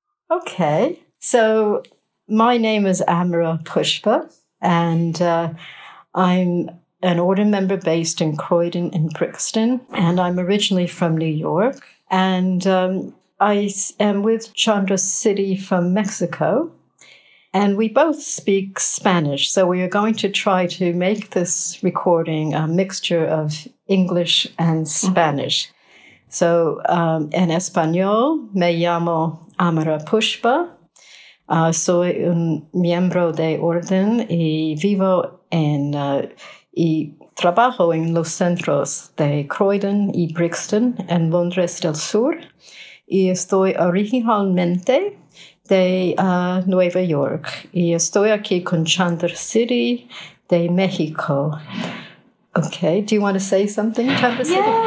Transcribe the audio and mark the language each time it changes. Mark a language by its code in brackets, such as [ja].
[en] Okay, so my name is Amara Pushpa, and I'm an order member based in Croydon in Brixton, and I'm originally from New York, and I am with Chandra City from Mexico, and we both speak Spanish, so we are going to try to make this recording a mixture of English and Spanish. Mm-hmm. So, [es] en español, me llamo Amara Pushpa. Soy un miembro de orden y vivo en y trabajo en los centros de Croydon y Brixton en Londres del Sur. Y estoy originalmente de Nueva York. Y estoy aquí con Chandra City de México. [en] Okay, do you want to say something, Chandra City?